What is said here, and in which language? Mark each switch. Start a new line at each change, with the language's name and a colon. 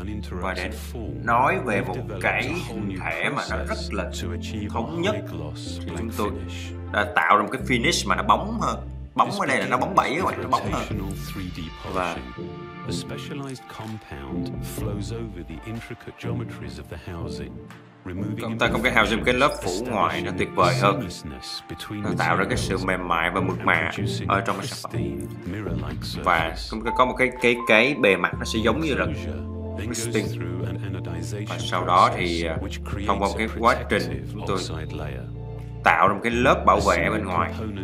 Vietnamese: Và để nói về một cái hình thể mà nó rất là thống nhất, chúng tôi đã tạo ra một cái finish mà nó bóng hơn. Bóng ở đây là nó bóng bẩy các bạn, nó bóng hơn. Và
English: a specialized compound flows over the intricate geometries of the housing,
Vietnamese: Chúng ta không cái hao dùng cái lớp phủ ngoài nó tuyệt vời hơn. Nó tạo ra cái sự mềm mại và mượt mà ở trong cái sản phẩm. Và chúng ta có một cái bề mặt nó sẽ giống như là pristine. Và sau đó thì thông qua một cái quá trình tôi tạo ra một cái lớp bảo vệ bên ngoài.